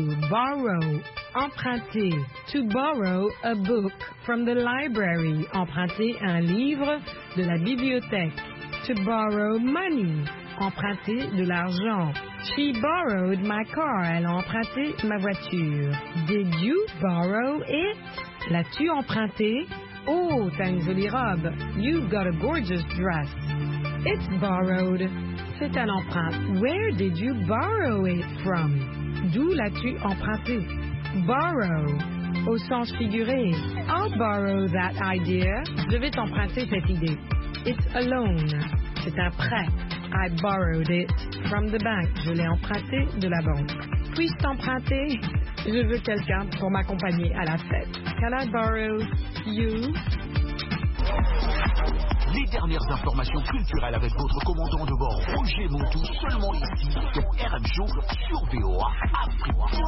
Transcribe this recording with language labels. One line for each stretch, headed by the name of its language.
English: Borrow. Emprunter. To borrow a book from the library.
French: Emprunter un livre de la bibliothèque.
English: To borrow money.
French: Emprunter de l'argent.
English: She borrowed my car.
French: Elle a emprunté ma voiture.
English: Did you borrow it?
French: L'as-tu emprunté? Oh, t'as une jolie robe.
English: You've got a gorgeous dress. It's borrowed.
French: C'est à l'emprunt.
English: Where did you borrow it from?
French: D'où l'as-tu emprunté? Borrow. Au sens figuré.
English: I'll borrow that idea.
French: Je vais t'emprunter cette idée.
English: It's a loan.
French: C'est un prêt.
English: I borrowed it from the bank.
French: Je l'ai emprunté de la banque. Puis-je t'emprunter? Je veux quelqu'un pour m'accompagner à la fête.
English: Can I borrow you?
French: Les dernières informations culturelles avec votre commandant de bord, Roger Montou, seulement ici, sur RM Show, sur VOA Afrique.